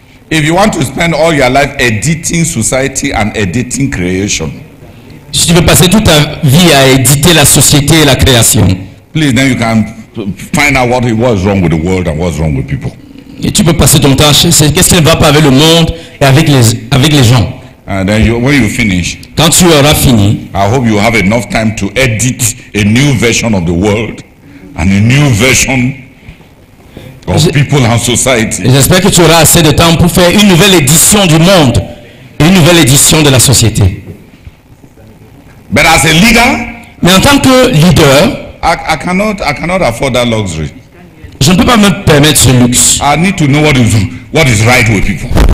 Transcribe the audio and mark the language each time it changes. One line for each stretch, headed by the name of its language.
English: If you want to spend all your life editing society and editing creation.
French: Si tu veux passer toute ta vie à éditer la société et la création.
English: Please, then you can find out what was wrong with the world and what's wrong with people.
French: Et tu peux passer ton temps, c'est qu'est-ce qui ne va pas avec le monde et avec les gens.
English: And then you, when you finish,
French: quand tu auras fini,
English: I hope you have enough time to edit a new version of the world and a new version of people and society.
French: J'espère que tu auras assez de temps pour faire une nouvelle édition du monde et une nouvelle édition de la société.
English: But as a leader,
French: mais en tant que leader,
English: I cannot afford that luxury.
French: Je ne peux pas me permettre ce luxe.
English: I need to know what is right with people.